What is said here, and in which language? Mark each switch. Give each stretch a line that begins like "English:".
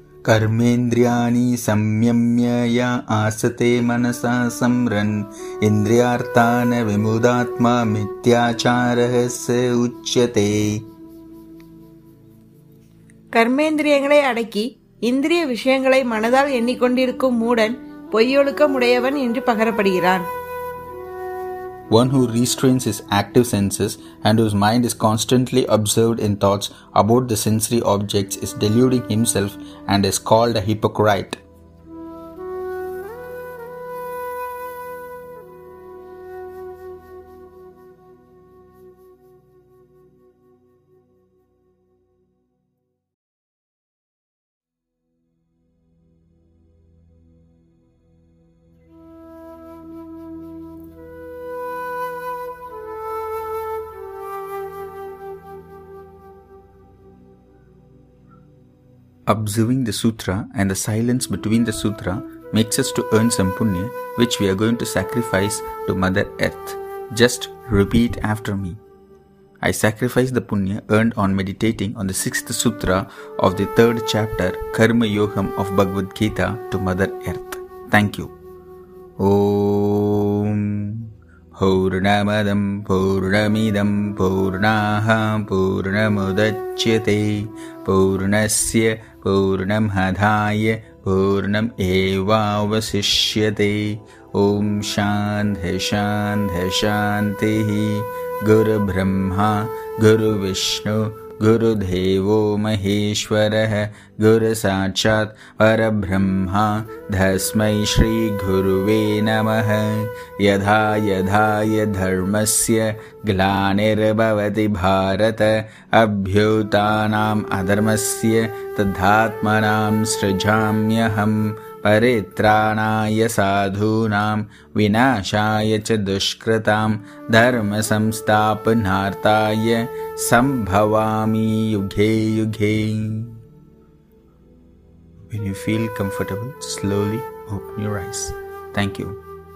Sanskrit: கர்மேந்திரியாணி சம்யம்யயா ஆசதே மனசா சம்ரன் இந்திரியார்த்தான விமுதாத்மா மித்யாச்சாரஹஸ உச்சதே.
Tamil: கர்மேந்திரியங்களை அடக்கி இந்திரிய விஷயங்களை மனதால் எண்ணிக்கொண்டிருக்கும் மூடன் பொய்யொழுக்கமுடையவன் என்று பகரப்படுகிறான்.
English: One who restrains his active senses and whose mind is constantly absorbed in thoughts about the sensory objects is deluding himself and is called a hypocrite. Observing the sutra and the silence between the sutra makes us to earn some punya which we are going to sacrifice to Mother Earth. Just repeat after me. I sacrifice the punya earned on meditating on the 6th sutra of the 3rd chapter Karma Yogam of Bhagavad Gita to Mother Earth. Thank you.
Sanskrit: Om பூர்ணமதம் பூர்ணமிதம் பூர்ணாஹ பூர்ணமுதச்யதே பூர்ணஸ்ய பூர்ணமாதாய பூர்ணம் ஏவாவசிஷ்யதே. ஓம் சாந்தி சாந்தி சாந்திஹி. குரு பிரம்மா குரு விஷ்ணு குரு தேவோ மகேஸ்வர குரு சாட்சாத் பரப்ரஹ்மா தஸ்மை ஸ்ரீ குருவே நம. யதா யதாய தர்மஸ்ய க்லானிர்பவதி பாரத அப்யுதானாம் அதர்மஸ்ய தத்தாத்மனாம் ஸ்ருஜாம்யஹம். பரித்ராணாய சாதூனாம் விநாசாய ச துஷ்க்ருதாம் தர்ம சம்ஸ்தாபனார்த்தாய சம்பவாமி UK UK.
English: When you feel comfortable, slowly open your eyes. Thank you.